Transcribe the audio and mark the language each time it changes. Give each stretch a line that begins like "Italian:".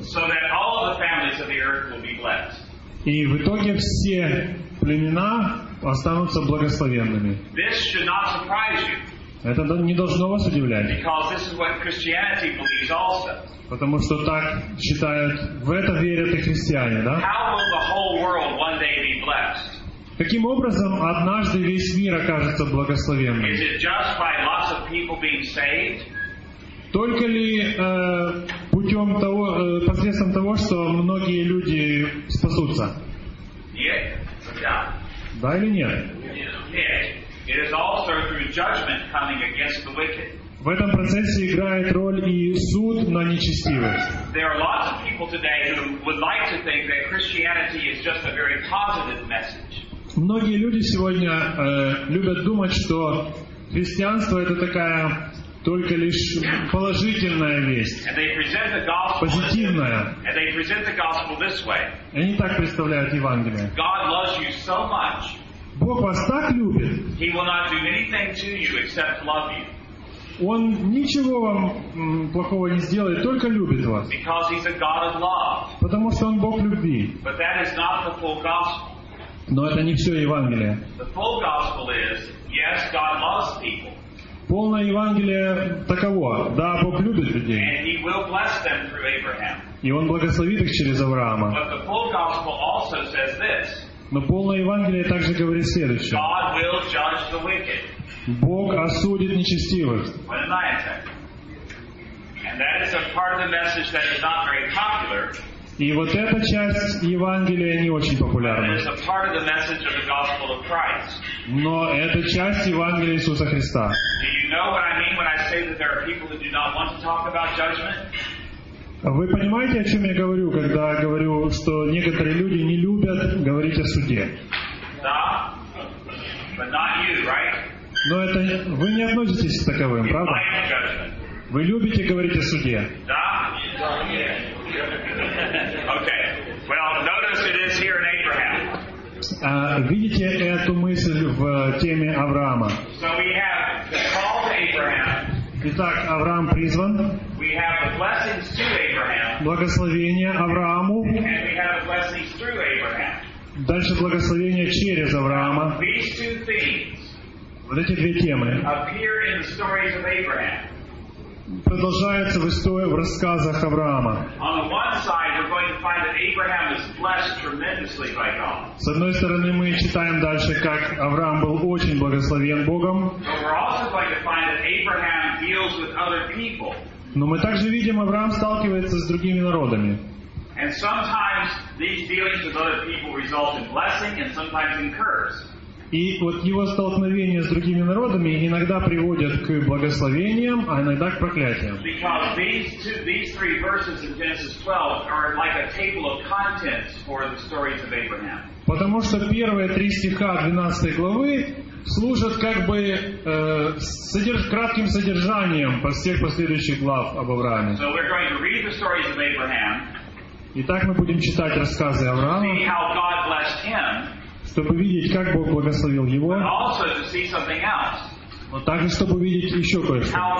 English: So that all of the families of the earth will be blessed.
Russian: И в итоге все племена останутся благословенными.
English: This should not surprise you.
Russian: Это не должно вас удивлять.
English: Because this is what Christianity believes also.
Russian: Потому что так считают, в это верят и христиане, да?
English: How will the whole world one day be blessed?
Russian: Каким образом однажды весь мир окажется благословенным?
English: Is it just by lots of people being saved?
Russian: Только ли путем того, посредством того, что многие люди спасутся? Нет. Да или нет? Нет.
English: It is also through judgment coming against the wicked.
Russian: В этом процессе играет роль и суд на нечестивых.
English: There are lots of people today who would like to think that Christianity is just a very positive message.
Russian: Многие люди сегодня любят думать, что христианство это такая только лишь положительная весть, позитивная.
English: And they present the gospel this way.
Russian: Они так представляют Евангелие.
English: God loves you so much.
Russian: Бог вас так любит.
English: He will not do anything to you except love you.
Russian: Он ничего вам плохого не сделает, только любит вас.
English: Because he's a God of love.
Russian: Потому что он Бог любви.
English: But that is not the full gospel.
Russian: Но это не все Евангелие.
English: The full gospel is, yes, God loves people.
Russian: Полное Евангелие таково. Да, Бог любит людей.
English: And he will bless them through Abraham.
Russian: И он благословит их через Авраама.
English: But the full gospel also says this.
Russian: Но полное Евангелие также говорит следующее.
English: God will judge the wicked.
Russian: Бог осудит нечестивых.
English: And that is a part of the message that is not very popular.
Russian: И вот эта часть Евангелия не очень популярна.
English: It is a part of the message of the gospel of Christ.
Russian: Но это часть Евангелия Иисуса Христа.
English: Do you know what I mean when I say that there are people who do not want to talk about judgment?
Russian: Вы понимаете, о чем я говорю, когда говорю, что некоторые люди не любят говорить о суде?
English: Да, but not you, right?
Russian: Но это вы не относитесь к таковым,
English: you
Russian: правда? Вы любите говорить о суде? Да. Okay.
English: Well, notice it is here in Abraham.
Russian: Видите эту мысль в теме Авраама?
English: So we have the call to Abraham.
Russian: Итак, Авраам призван.
English: We have the blessings to Abraham.
Russian: Благословение Аврааму.
English: And we have the blessings through Abraham.
Russian: Дальше благословение через Авраама.
English: These two things.
Russian: Вот эти две темы.
English: Appear in the stories of Abraham.
Russian: Продолжается в рассказах Авраама.
English: On the one side, we're going to find that Abraham is blessed tremendously by God.
Russian: С одной стороны, мы читаем дальше, как Авраам был очень благословен Богом.
English: But we're also going to find that Abraham deals with other people.
Russian: Но мы также видим, Авраам сталкивается с другими народами.
English: And sometimes these dealings with other people result in blessing and sometimes in curse.
Russian: И вот его столкновения с другими народами иногда приводят к благословениям, а иногда к проклятиям.
English: Because these three verses in Genesis 12 are like a table of contents for the stories of Abraham.
Russian: Потому что первые три стиха 12 главы служат как бы кратким содержанием всех последующих глав об Аврааме.
English: So we're going to read the stories of Abraham.
Russian: Итак, мы будем читать рассказы Авраама.
English: See how God blessed him.
Russian: Чтобы видеть, как Бог благословил его, но также, чтобы видеть еще кое-что.